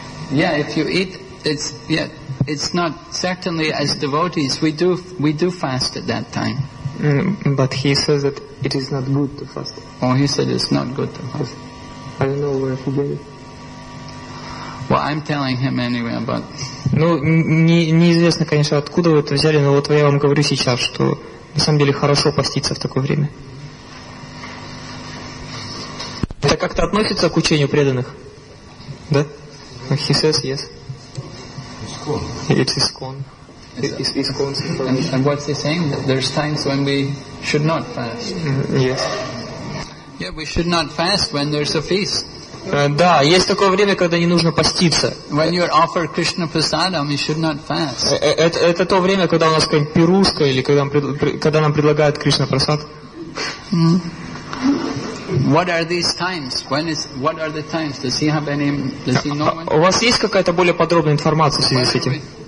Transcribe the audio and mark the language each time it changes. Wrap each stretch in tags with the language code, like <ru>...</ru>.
<en>Yeah, if you eat, it's yeah, it's not certainly as devotees we do fast at that time. But he says that it is not good to fast. Oh, he said it's not good to fast. I don't know where he get it. Well, I'm telling him anyway about.</en> <ru>Ну, неизвестно, конечно, откуда вы это взяли, но вот я вам говорю сейчас, что на самом деле хорошо поститься в такое время. Это как-то относится к учению преданных? Да?</ru> <en>He says yes. It's iskon. Iskon. And what's he saying? There's times when we should not fast. Yes. Yeah, we should not fast when there's a feast.</en> <ru>Да, есть такое время, когда не нужно поститься.</ru> <en>When you're offered Krishna prasadam, you should not fast.</en> <ru>Это то время, когда у нас какая-нибудь пирушка или когда нам предлагают Кришна прасад.</ru> <en>What are these times? What are the times? Does he have any? Does he know?</en> <ru>У вас есть какая-то более подробная информация в связи с этим?</ru>